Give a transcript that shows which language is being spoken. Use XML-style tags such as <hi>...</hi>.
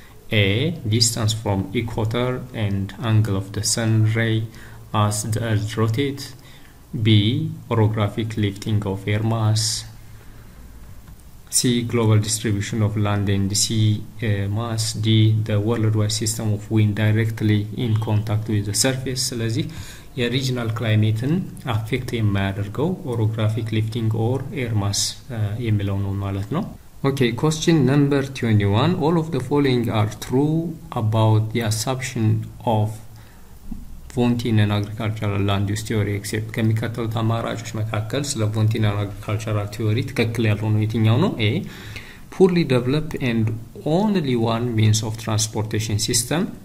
<en>A distance from equator and angle of the sun ray as the earth rotates. B orographic lifting of air mass. C global distribution of land and sea mass. D the worldwide system of wind directly in contact with the surface.</en> <am>ስለዚህ የሪጅናል ክላይሜትን አፌክት የማያደርገው</am> <en>orographic lifting or air mass</en> <am>የሚለው ነው ማለት ነው።</am> <en>Okay, question number 21. All of the following are true about the assumption of Vontine and agricultural land use theory except.</en> <am>ከሚከተሉት አማራጮች መካከል ስለ</am> <en>Vontine and agricultural theory</en> <am>ትክክል ያልሆነው የትኛው ነው? A.</am> <en>Poorly developed and only one means of transportation system.</en>